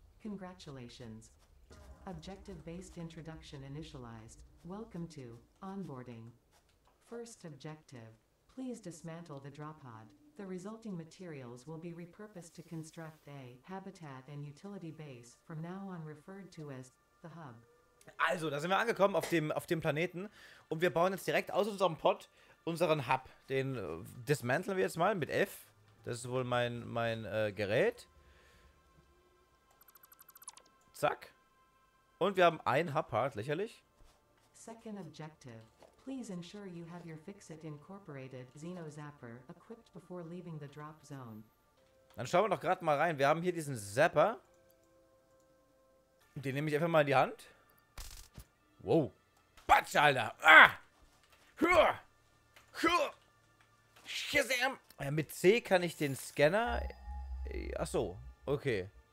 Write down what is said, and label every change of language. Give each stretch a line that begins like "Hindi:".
English: Congratulations. Objective-based introduction initialized. Welcome to onboarding. First objective, please dismantle the drop pod. The resulting materials will be repurposed to construct a habitat and utility base, from now on referred to as the hub.
German: Also, da sind wir angekommen auf dem Planeten und wir bauen jetzt direkt aus unserem Pod unseren Hub. Den dismanteln wir jetzt mal mit F. Das ist wohl mein Gerät. Zack. Und wir haben ein Hub-Part, lächerlich.
English: Second objective. Please ensure you have your Fixit Incorporated Xeno Zapper equipped before leaving the drop zone.
German: Dann schauen wir doch gerade mal rein. Wir haben hier diesen Zapper. Den nehme ich einfach mal in die Hand. Wow. Batsch, Alter. Ah! Huah! Huah! Shazam! Ja, mit C kann ich den Scanner. Ach so. Okay.